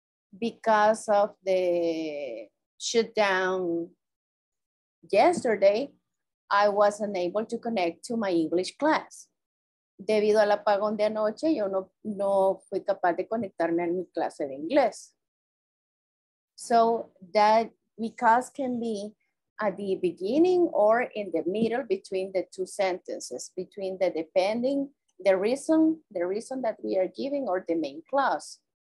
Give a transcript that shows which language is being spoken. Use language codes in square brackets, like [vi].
[en] Because of the shutdown yesterday, I was unable to connect to my English class. [es] Debido al apagón de anoche, yo no fui capaz de conectarme a mi clase de inglés. [en] So that because can be at the beginning or in the middle between the two sentences, between the depending, the reason that we are giving or the main clause.